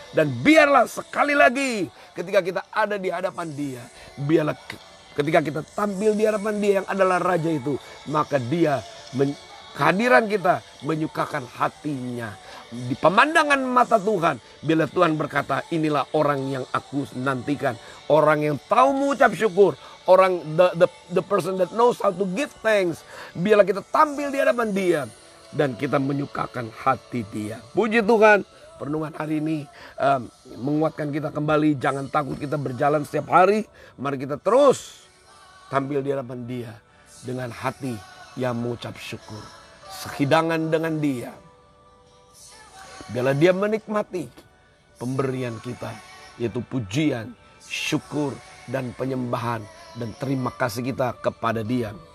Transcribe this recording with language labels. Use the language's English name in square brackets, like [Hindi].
[Indonesian] Dan biarlah sekali lagi ketika kita ada di hadapan Dia, biarlah ketika kita tampil di hadapan Dia yang adalah Raja itu, maka Dia kehadiran kita menyukakan hatinya. Di pemandangan mata Tuhan, bila Tuhan berkata, inilah orang yang aku nantikan. Orang yang tahu mengucap syukur. [English] Orang, the person that knows how to give thanks. [Indonesian] Bila kita tampil di hadapan Dia, dan kita menyukakan hati Dia. Puji Tuhan, perenungan hari ini menguatkan kita kembali. Jangan takut kita berjalan setiap hari. Mari kita terus tampil di hadapan Dia dengan hati yang mengucap syukur. Sehidangan dengan Dia. Biarlah Dia menikmati pemberian kita, yaitu pujian, syukur, dan penyembahan, dan terima kasih kita kepada Dia.